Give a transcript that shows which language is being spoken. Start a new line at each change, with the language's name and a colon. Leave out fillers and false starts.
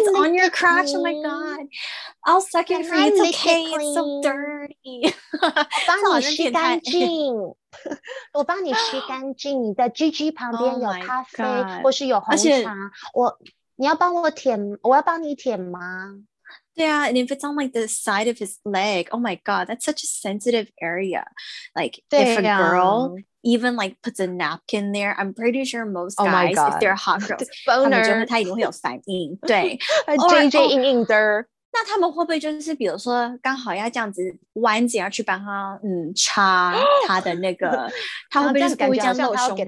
English: It's on your crotch，Oh my god，I'll suck it for you，It's okay，It's so dirty，
Chinese: 我帮你吸干净。我帮你吸干净，你的 GG 旁边有咖啡、 oh、或是有红茶，我你要帮我舔，我要帮你舔吗？对啊，
English: and if it's on like the side of his leg, oh my god, that's such a sensitive area. Like、啊、 if a girl even like puts a napkin there, I'm pretty sure most guys、 oh、my god. if they're hot girls, boner,
Chinese: 他们觉得他一定会有反应，对，JJ 硬硬的。那他们会不会就是比如说刚好要这样子弯着要去帮他嗯插他的那个他会不会就是故意这样露胸部